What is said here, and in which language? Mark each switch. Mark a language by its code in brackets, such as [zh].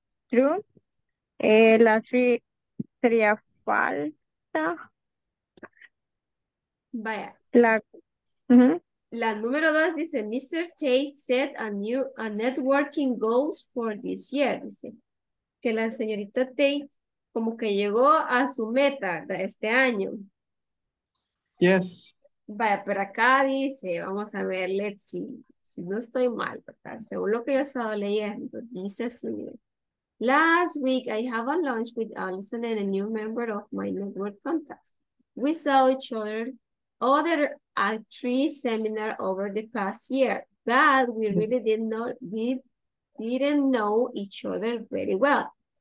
[en] True. [es] La three sería falsa. Vaya. La número dos dice, Mr. [en] Tate set a networking goals for this year. [es] Dice que la señorita Tate como que llegó a su meta de este año. [en] Yes. [es] Vaya, pero acá dice, vamos a ver, [en] let's see, [es] si no estoy mal, ¿verdad? Según lo que yo he estado leyendo, dice así, mira. [en] Last week, I have a lunch with Allison and a new member of my network contacts. We saw each other at three seminars over the past year, but we really didn't know each other very well.